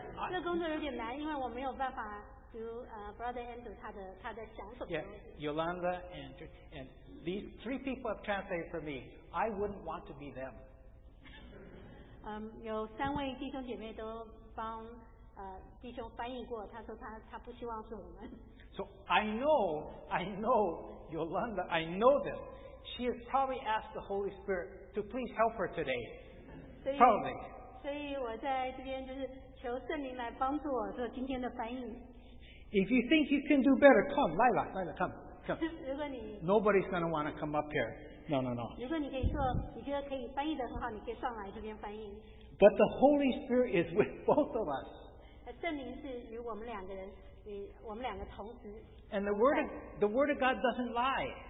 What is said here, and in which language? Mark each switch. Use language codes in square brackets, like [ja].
[zh] 这工作有点难，因为我没有办法读Brother Andrew 他的想什么。 [en] Yeah, Yolanda and these three people have translated for me. I wouldn't want to be them. [zh] 有三位弟兄姐妹都帮弟兄翻译过，他说他不希望是我们。 [en] So I know Yolanda, I know this. She has probably asked the Holy Spirit to please help her today. Probably. [zh] 所以我在这边就是求圣灵来帮助我做今天的翻译。 [en] If you think you can do better, come, Lila, come. Nobody's going to want to come up here. No. But the Holy Spirit is with both of us. And the Word of God doesn't lie.